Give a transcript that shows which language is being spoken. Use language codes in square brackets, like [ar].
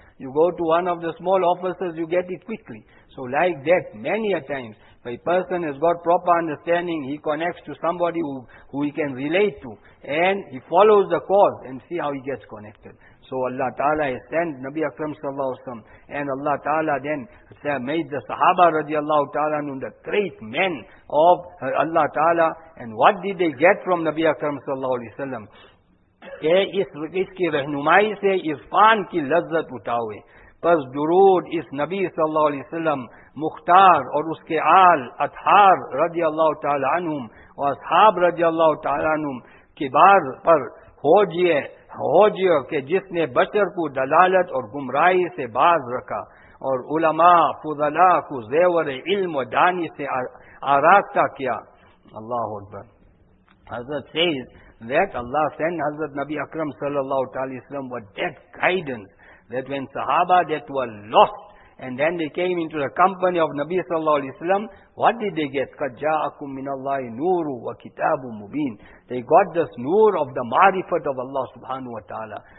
[en] You go to one of the small offices, you get it quickly. So like that, many a times, if a person has got proper understanding, he connects to somebody who he can relate to, and he follows the cause and see how he gets connected. So Allah Ta'ala has sent Nabi Akram Sallallahu Alaihi Wasallam, and Allah Ta'ala then made the Sahaba radiallahu ta'ala the great men of Allah Ta'ala. And what did they get from Nabi Akram Sallallahu Alaihi Wasallam? [ur] اس کی رہنمائی سے عرفان کی لذت اٹھاؤے پس درود اس نبی صلی اللہ علیہ وسلم مختار اور اس کے آل اطہار رضی اللہ تعالی عنہم و اصحاب رضی اللہ تعالی عنہم کی بار پر ہو جیے کہ جس نے بشر کو دلالت اور گمراہی سے باز رکھا اور علماء فضلاء کو زیور علم و دانی سے آراستہ کیا. اللہ اکبر. حضرت سید [en] that Allah sent Hazrat Nabi Akram sallallahu alaihi wasallam with that guidance, that when Sahaba that were lost and then they came into the company of Nabi sallallahu alaihi wasallam, what did they get? [ar] قَدْ جَاءَكُمْ مِنَ اللَّهِ نُورُ وَكِتَابُ مُبِينٌ. [en] They got this nur of the ma'rifat of Allah subhanahu wa ta'ala.